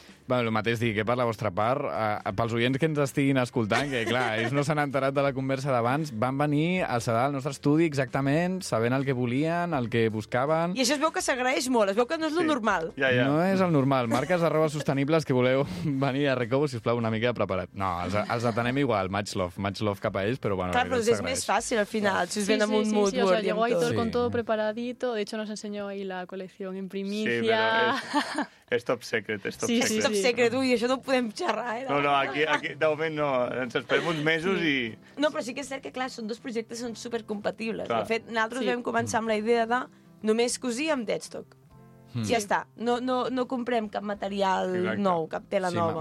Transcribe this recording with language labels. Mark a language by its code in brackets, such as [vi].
[ca] Bueno, el mateix dic, per la vostra part, pels oients que ens estiguin escoltant, que clar, ells no s'han enterat de la conversa d'abans, van venir al sedar del nostre estudi exactament, sabent el que volien, el que buscaven... I això es veu que s'agraeix molt, es veu que no és lo normal. Ja, ja. No és el normal. Marques de roba sostenibles que voleu venir a Recobo, sisplau, una mica preparat. No, els atenem igual, [en] much love [ca] cap a ells, però bueno... Carlos, és més fàcil al final, si us ven amb un mood [en] board. [es] Sí, llegó Aitor con todo preparadito, de hecho nos enseñó ahí la colección en primicia... [ca] És top secret, és top secret. Sí, és top secret, ui, això no ho podem xerrar, eh? No, aquí, de moment no, ens esperem uns mesos i... No, però sí que és cert que, clar, són dos projectes que són supercompatibles. Clar. De fet, nosaltres vam començar amb la idea de només cosir amb Deadstock. Sí. Ja està, no comprem cap material nou, cap tela nova.